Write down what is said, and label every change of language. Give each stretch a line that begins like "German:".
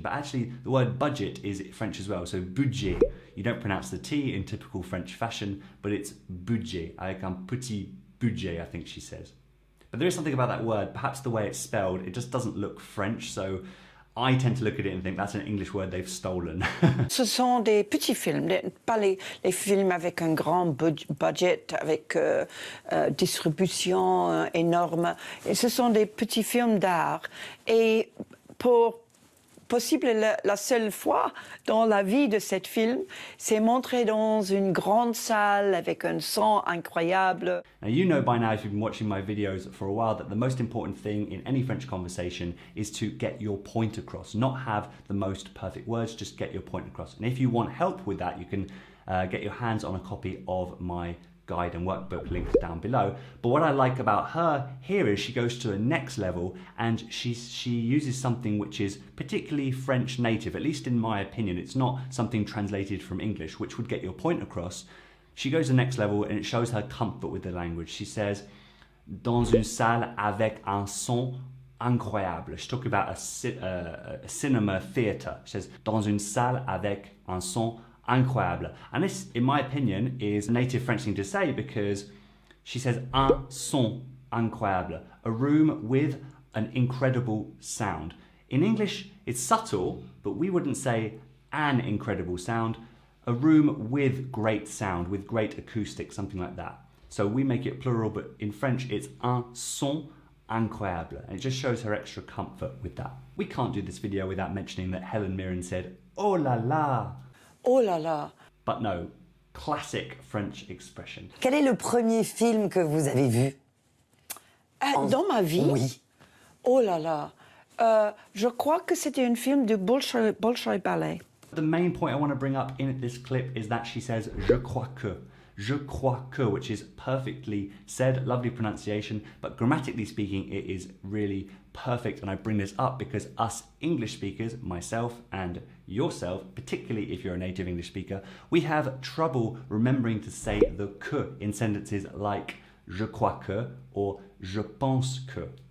English: But actually, the word budget is French as well. So budget, you don't pronounce the T in typical French fashion, but it's budget,
French: avec un petit budget,
English: I think she says. But there is something about that word, perhaps the way it's spelled, it just doesn't look French. So I tend to look at it and think that's an English word they've stolen.
French: Ce sont des petits films, pas les films avec un grand budget, avec distribution énorme. Et ce sont des petits films d'art. Et pour possible la seule fois dans la vie de ce film, c'est montré dans une grande salle avec un son incroyable.
English: Now you know by now, if you've been watching my videos for a while, that the most important thing in any French conversation is to get your point across, not have the most perfect words, just get your point across. And if you want help with that, you can get your hands on a copy of my guide and workbook linked down below. But what I like about her here is she goes to a next level and she uses something which is particularly French native, at least in my opinion. It's not something translated from English, which would get your point across. She goes to the next level and it shows her comfort with the language. She says,
French: dans une salle avec un son incroyable.
English: She's talking about a cinema theater. She says,
French: dans une salle avec un son incroyable.
English: And this, in my opinion, is a native French thing to say because she says
French: un son incroyable,
English: a room with an incredible sound. In English, it's subtle, but we wouldn't say an incredible sound, a room with great sound, with great acoustics, something like that. So we make it plural, but in French, it's
French: un son incroyable.
English: And it just shows her extra comfort with that. We can't do this video without mentioning that Helen Mirren said,
French: oh la la. Oh là là.
English: But no, classic French expression.
French: Quel est le premier film que vous avez vu dans ma vie? Oui. Oh là là. Je crois que c'était un film de Bolshoi Ballet.
English: The main point I want to bring up in this clip is that she says
French: je crois que. Je crois que,
English: which is perfectly said, lovely pronunciation, but grammatically speaking, it is really perfect. And I bring this up because us English speakers, myself and yourself, particularly if you're a native English speaker, we have trouble remembering to say the que in sentences like
French: je crois que
English: or
French: je pense que.